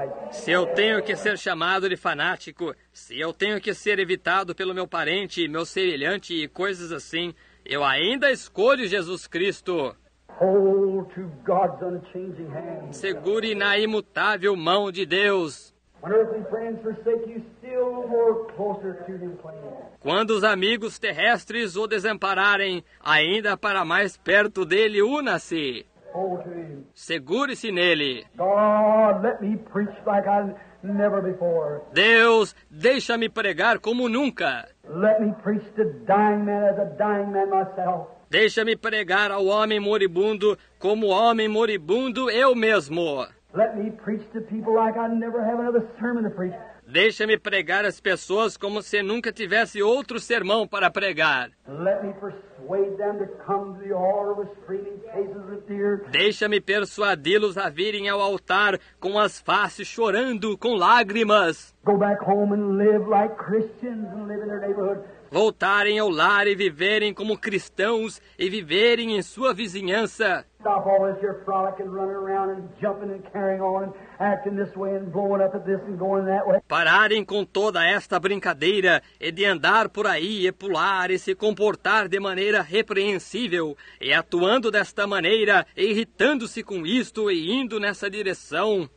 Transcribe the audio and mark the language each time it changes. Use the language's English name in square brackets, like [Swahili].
[Portuguese] Se eu tenho que ser chamado de fanático, se eu tenho que ser evitado pelo meu parente, meu semelhante e coisas assim, eu ainda escolho Jesus Cristo. [English] Hold to God's unchanging hand. [Portuguese] Segure na imutável mão de Deus. [English] When earthly friends forsake you, still more closer to Him clinging. [Portuguese] Quando os amigos terrestres o desampararem, ainda para mais perto dele, una-se. [English] Hold to Him. [Portuguese] Segure-se nele. [English] God, let me preach like I never before. [Portuguese] Deus, deixa-me pregar como nunca. [English] Let me preach to dying man as a dying man myself. [Portuguese] Deixa-me pregar ao homem moribundo como homem moribundo eu mesmo. [English] Let me preach to people like I never have another sermon to preach. [Portuguese] Deixa-me pregar às pessoas como se nunca tivesse outro sermão para pregar. [English] Let me persuade them to come to the altar with streaming faces of tears. [Portuguese] Deixa-me persuadi-los a virem ao altar com as faces chorando, com lágrimas. [English] Go back home and live like Christians and live in their neighborhood. [Portuguese] Voltarem ao lar e viverem como cristãos e viverem em sua vizinhança. [English] Stop all this here frolicking, running around and jumping and carrying on, acting this way and blowing up at this and going that way. [Portuguese] Pararem com toda esta brincadeira e de andar por aí e pular e se comportar de maneira repreensível e atuando desta maneira, irritando-se com isto e indo nessa direção.